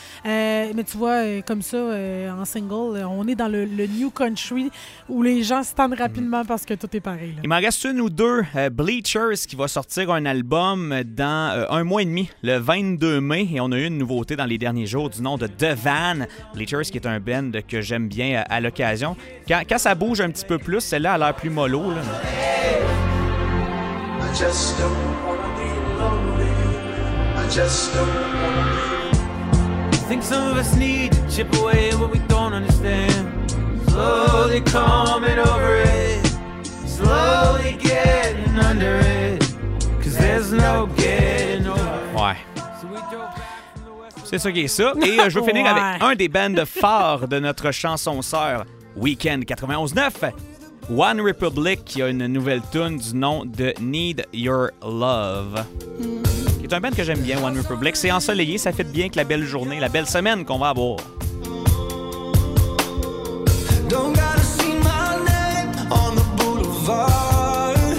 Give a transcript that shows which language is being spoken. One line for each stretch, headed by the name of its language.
French: Mais tu vois, comme ça, en single, on est dans le new country où les gens se tendent rapidement parce que tout est pareil, là. Il m'en reste une ou deux. Bleachers, qui va sortir un album dans un mois et demi, le 22 mai. Et on a eu une nouveauté dans les derniers jours du nom de The Van. Bleachers, qui est un band que j'aime bien à l'occasion. Quand ça bouge un petit peu plus, celle-là a l'air plus mollo, là.
English: Hey, I just don't wanna be lonely. I just don't wanna be lonely. Think some of us need to chip away at what we don't understand. Slowly coming over it, slowly getting under it, 'cause there's no getting over.
French: Ouais. C'est ça qui est ça. Et je veux finir ouais, avec un des bands phares de notre chanson sœur Weekend 91.9. One Republic, qui a une nouvelle tune du nom de Need Your Love. C'est un band que j'aime bien, One Republic. C'est ensoleillé, ça fait bien que la belle journée, la belle semaine qu'on va avoir.
English: Don't gotta see my name on the boulevard.